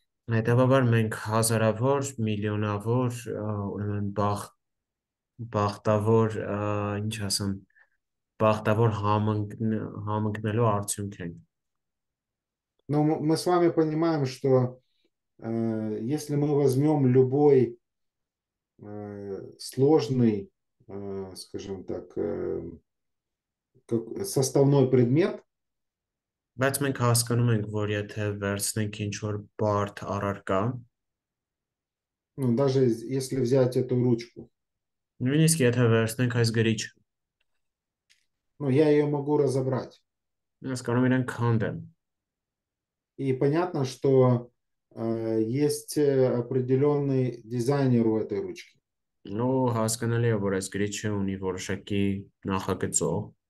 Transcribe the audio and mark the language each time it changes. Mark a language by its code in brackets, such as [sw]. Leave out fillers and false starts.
[hy] Հետևաբար մենք հազարավոր, միլիոնավոր, ուրեմն բախտավոր, ինչ ասեմ, բախտավոր համընկնելու արդյունք ենք։ [ru] Но мы с вами понимаем, что если мы возьмем любой сложный, скажем так, составной предмет, [hy] Բայց մենք հասկանում ենք, որ եթե վերցնենք ինչ-որ բարդ առարկա, [ru] ну, даже если взять эту ручку, [hy] նույնիսկ եթե վերցնենք այս գրիչ, [ru] ну, я ее могу разобрать. [hy] ես կարող եմ իրեն քանդեմ. [ru] И понятно, что есть определенный дизайнер у этой ручки. [hy] Ну, հասկանալի է, որ այս գրիչը ունի որոշակի նախագծով.